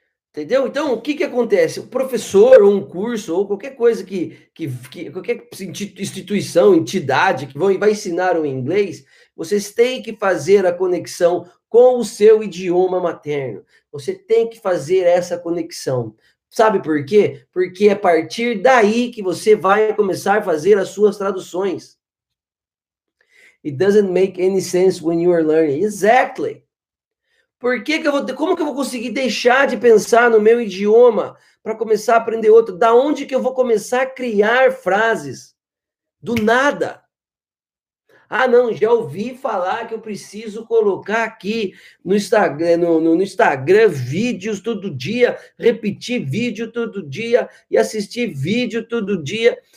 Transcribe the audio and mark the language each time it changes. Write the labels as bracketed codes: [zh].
[pt] Entendeu? Então, o que que acontece? O professor, ou um curso, ou qualquer coisa qualquer instituição, entidade que vai ensinar o inglês, vocês têm que fazer a conexão com o seu idioma materno. Você tem que fazer essa conexão. Sabe por quê? Porque é a partir daí que você vai começar a fazer as suas traduções. [en] It doesn't make any sense when you are learning. Exactly. [pt] Como que eu vou conseguir deixar de pensar no meu idioma para começar a aprender outro? Da onde que eu vou começar a criar frases? Do nada. Ah, não, já ouvi falar que eu preciso colocar aqui no Instagram, no Instagram vídeos todo dia, repetir vídeo todo dia e assistir vídeo todo dia.